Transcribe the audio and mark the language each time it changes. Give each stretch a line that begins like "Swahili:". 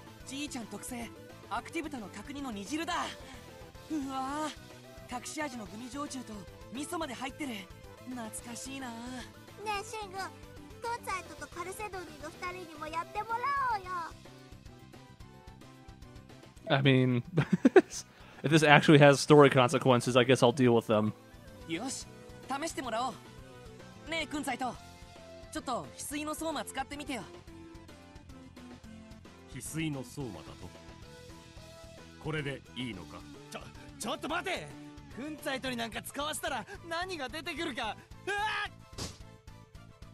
Japanese: じいちゃん特製アクティブタの角煮の煮汁だ。うわ、隠し味のグミ焼酎と味噌まで入ってる。懐かしいな。ねえシング、クンツァイトとカルセドニーの二人にもやってもらおうよ。
English: I mean, if this actually has story consequences, I guess I'll deal with them.
Japanese: よし、試してもらおう。ねえ、クンサイト。ちょっと、翡翠のソーマ使ってみてよ。翡翠のソーマだと。これでいいのか。ちょっと待て。クンサイトになんか使わせたら何が出てくるか。うわっ。